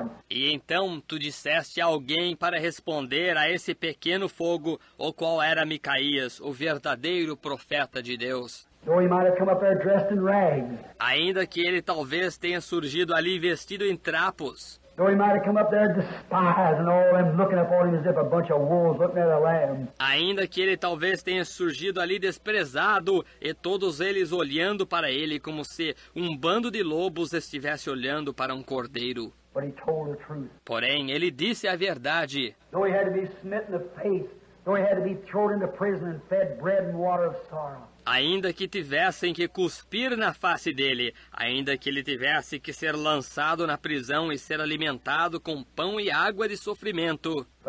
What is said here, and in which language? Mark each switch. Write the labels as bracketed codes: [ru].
[pt] E então tu disseste a alguém para responder a esse pequeno fogo, o qual era Micaías, o verdadeiro profeta de Deus. [en] Though he might have come up there dressed in rags. [pt] Ainda que ele talvez tenha surgido ali vestido em trapos. [en] Though he might have come up there despised and all them looking upon him as if a bunch of wolves looking at a lamb. [pt] Ainda que ele talvez tenha surgido ali desprezado e todos eles olhando para ele como se um bando de lobos estivesse olhando para um cordeiro. [en] But he told the truth. [pt] Porém, ele disse a verdade. [en] Though he had to be smitten in the face, though he had to be thrown into prison and fed bread and water of sorrow. [pt] Ainda que tivessem que cuspir na face dele, ainda que ele tivesse que ser lançado na prisão e ser alimentado com pão e água de sofrimento.